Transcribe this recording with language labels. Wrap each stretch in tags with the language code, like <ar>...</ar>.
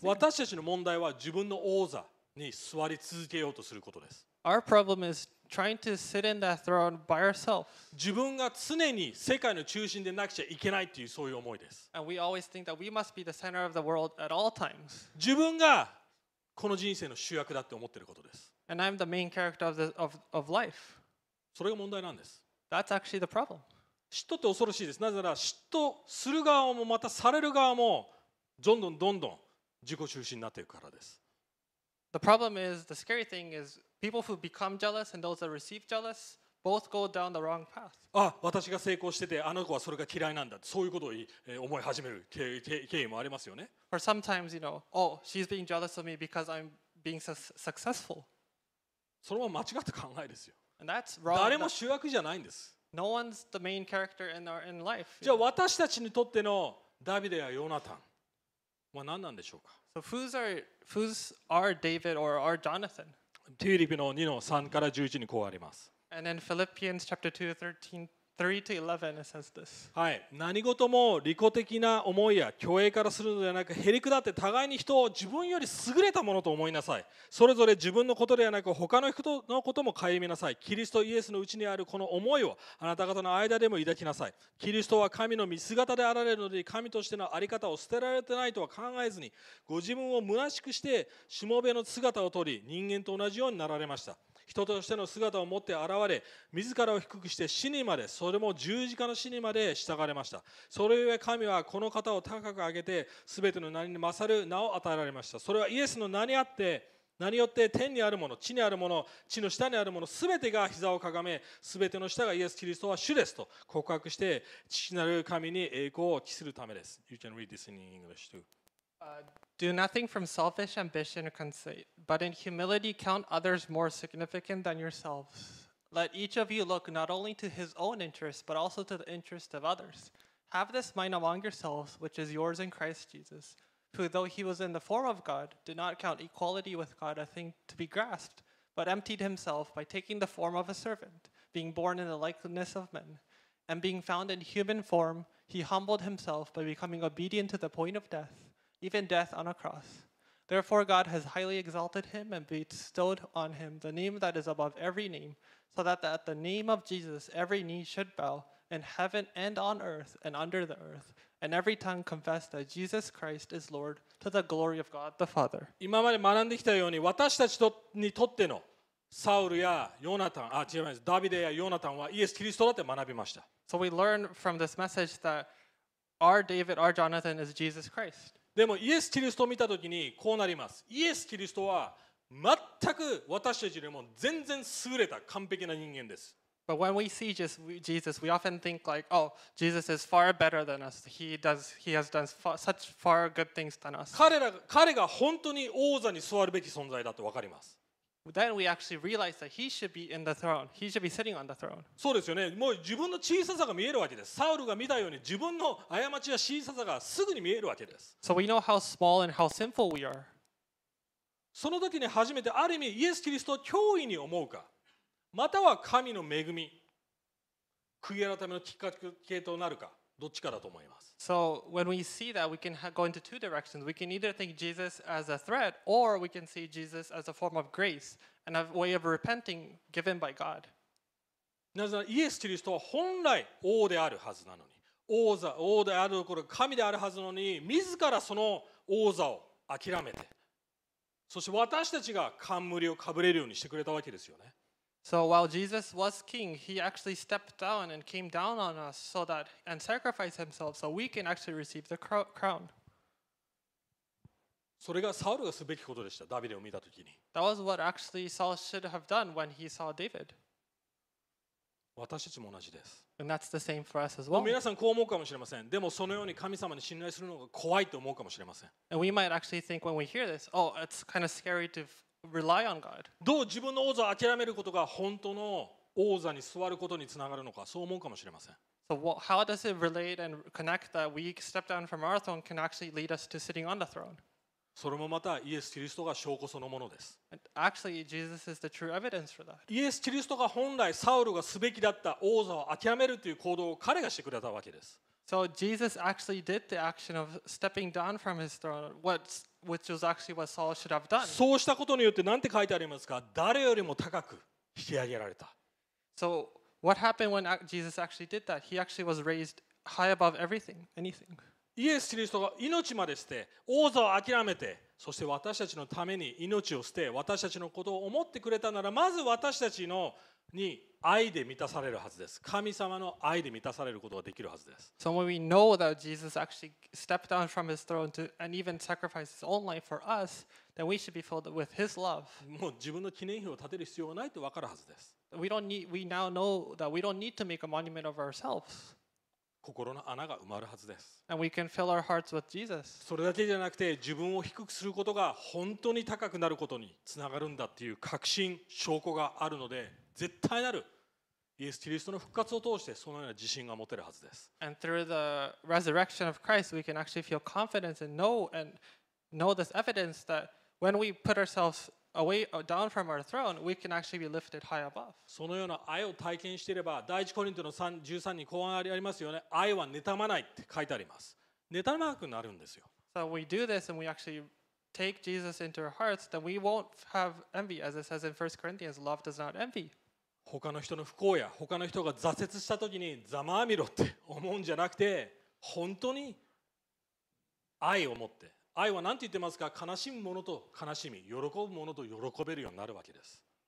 <ja>私たちの問題は自分の王座に座り続けようとすることです。</ja> <en>Our problem is trying to sit in that throne by ourselves.</en> <ja>自分が常に世界の中心でなくちゃいけないっていうそういう思いです。</ja> <en>And we always think that we must be the center of the world at all times.</en> <ja>自分がこの人生の主役だって思ってることです。</ja> <en>And I'm the main character of life.</en> <ja>それが問題なんです。</ja> <en>That's actually the problem.</en> <ja>嫉妬って恐ろしいです。なぜなら嫉妬する側もまたされる側もどんどんどんどん自己中心になっていくからです。</ja> <en>The problem is, the scary thing is, people who become jealous and those that receive jealous, both go down the wrong path.</en> <ja>あ、私が成功してて、あの子はそれが嫌いなんだ。そういうことを思い始める経緯もありますよね。</ja> <en>Or sometimes, you know, oh, she's being jealous of me because I'm being so successful.</en> <ja>それは間違った考えですよ。</ja> <en>And that's wrong.</en> <ja>誰も主役じゃないんです。</ja> <en>No one's the main character in life.</en> <ja>じゃあ私たちにとってのダビデやヨナタンは何なんでしょうか。</ja> <en>So who's our David or our Jonathan?</en> <ja>フィリピの2の3から11にこうあります。</ja> <en>And then Philippians chapter 2, 3 to 11, it says this.</en> <ja>はい、何事も利己的な思いや虚栄からするのではなく、へりくだって互いに人を自分より優れたものと思いなさい。それぞれ自分のことではなく他の人のことも顧みなさい。キリストイエスのうちにあるこの思いをあなた方の間でも抱きなさい。キリストは神の見姿であられるので、神としてのあり方を捨てられてないとは考えずに、ご自分を虚しくしてしもべの姿を取り、人間と同じようになられました。人としての姿を持って現れ、自らを低くして死にまで、それも十字架の死にまで従われました。それゆえ神はこの方を高く上げて、すべての名に勝る名を与えられました。それはイエスの名にあって、何よって天にあるもの、地にあるもの、地の下にあるもの、すべてが膝をかがめ、すべての下がイエス・キリストは主ですと告白して、父なる神に栄光を期するためです。</ja> <en>You can read this in English too. Do nothing from selfish ambition or conceit, but in humility count others more significant than yourselves. Let each of you look not only to his own interests, but also to the interests of others. Have this mind among yourselves, which is yours in Christ Jesus, who, though he was in the form of God, did not count equality with God a thing to be grasped, but emptied himself by taking the form of a servant, being born in the likeness of men. And being found in human form, he humbled himself by becoming obedient to the point of death, even death on a cross. Therefore God has highly exalted him and bestowed on him the name that is above every name, so that at the name of Jesus every knee should bow, in heaven and on earth and under the earth, and every tongue confess that Jesus Christ is Lord, to the glory of God the Father.</en> <ja>今まで学んできたように、私たちにとってのサウルやヨナタン、あ、違います、ダビデやヨナタンはイエス・キリストだって学びました。</ja> <en>So we learn from this message that our David, our Jonathan is Jesus Christ.</en> <ja>でもイエス・キリストを見たときにこうなります。イエス・キリストは全く私たちよりも全然優れた完璧な人間です。</ja> <en>But when we see Jesus, we often think like, oh, Jesus is far better than us. He has done such far good things than us.</en> <ja>彼が本当に王座に座るべき存在だと分かります。</ja> <en>Then we actually realize that he should be in the throne. He should be sitting on the throne.</en> <ja>そうですよね。もう自分の小ささが見えるわけです。サウルが見たように自分の過ちや小ささがすぐに見えるわけです。</ja> <en>So we know how small and how sinful we are.</en> <ja>その時に初めてある意味イエス・キリストを脅威に思うか、または神の恵み、悔い改めのきっかけとなるか、どっちかだと思います。</ja> <en>So when we see that, we can go into two directions. We can either think Jesus as a threat, or we can see Jesus as a form of grace and a way of repenting given by God.</en> <ja>なぜなら、イエス・キリストは本来王であるはずなのに、王であるところ、神であるはずなのに、自らその王座を諦めて、そして私たちが冠をかぶれるようにしてくれたわけですよね。</ja> <en>So while Jesus was king, he actually stepped down and came down on us so that and sacrificed himself so we can actually receive the crown.</en> <ja>それがサウルがすべきことでした。ダビデを見たときに。</ja> <en>That was what actually Saul should have done when he saw David.</en> <ja>私たちも同じです。</ja> <en>And that's the same for us as well.</en> <ja>皆さんこう思うかもしれません。でもそのように神様に信頼するのが怖いと思うかもしれません。</ja> <en>And we might actually think when we hear this, oh, it's kind of scary to rely on God.</en> <ja>どう自分の王座を諦めることが本当の王座に座ることにつながるのか、そう思うかもしれません。</ja> <en>So how does it relate and connect that we step down from our throne can actually lead us to sitting on the throne?</en> <ja>それもまたイエス・キリストが証拠そのものです。</ja> <en>Actually, Jesus is the true evidence for that.</en> <ja>イエス・キリストが本来サウルがすべきだった王座を諦めるという行動を彼がしてくれたわけです。</ja> <en>So Jesus actually did the action of stepping down from his throne. Which was actually what Saul should have done.</en> <ja>そうしたことによって何て書いてありますか？誰よりも高く引き上げられた。</ja> <en>So what happened when Jesus actually did that? He actually was raised high above everything, anything.</en> <ja>イエス・キリストが命まで捨て、王座を諦めて、そして私たちのために命を捨て、私たちのことを思ってくれたなら、まず私たちのに愛で満たされるはずです。神様の愛で満たされることができるはずです。</ja> <en>So when we know that Jesus actually stepped down from his throne to and even sacrificed his own life for us, then we should be filled with his love.</en> <ja>もう自分の記念碑を立てる必要がないと分かるはずです。</ja> <en>We now know that we don't need to make a monument of ourselves.</en> <ja>心の穴が埋まるはずです。</ja> <en>And we can fill our hearts with Jesus.</en> <ja>それだけじゃなくて、自分を低くすることが本当に高くなることにつながるんだっていう確信、証拠があるので、絶対なるイエス・キリストの復活を通してそのような自信が持てるはずです。</ja> <en>And through the resurrection of Christ, we can actually feel confidence and know this evidence that when we put ourselves away down from our throne, we can actually be lifted high above.</en> <ja>そのような愛を体験していれば、第一コリントの13にこうありますよね。愛は妬まないって書いてあります。妬まなくなるんですよ。</ja> <en>So we do this and we actually take Jesus into our hearts, then we won't have envy, as it says in 1 Corinthians, love does not envy.</en> <ja>他の人の不幸や他の人が挫折した時にざまあみろって思うんじゃなくて、本当に愛を持って、愛は何て言ってますか、悲しむものと悲しみ、喜ぶものと喜べるようになるわけです。</ja>